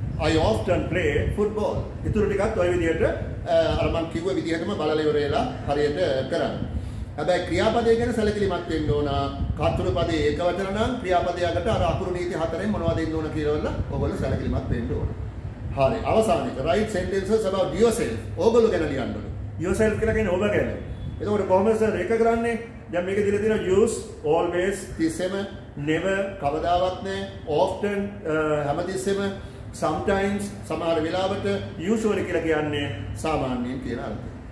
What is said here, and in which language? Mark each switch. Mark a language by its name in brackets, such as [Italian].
[English] I often play football. [Sinhala] ඊටු ටිකක් ওই විදිහට අර මම කිව්ව විදිහටම බලලා ඉවරේලා හරියට කරන්න. හැබැයි ක්‍රියාපදය ගැන සැලකිලිමත් වෙන්න ඕන. කතෘපදයේ ඒකවචන නම් ක්‍රියාපදයකට අර අකුරු නීති හතරෙන් මොනවද ඉන්න ඕන කියලා වල්ලා ඔයගොල්ලෝ සැලකිලිමත් වෙන්න ඕන. හරි. අවසානෙට [English] write sentences about yourself. [Sinhala] ඔයගොල්ලෝ ගැන ලියන්න ඕන. Yourself කියලා කියන්නේ ඔබ ගැන. එතකොට කොහොමද සර් ඒක කරන්නේ? දැන් මේක දිලා තියෙන use always තිස්සෙම [English] never [Sinhala] කවදාවත් නැහැ often හැමතිස්සෙම sometimes සමහර වෙලාවට usually කියලා කියන්නේ සාමාන්‍යයෙන් කියන අර්ථය.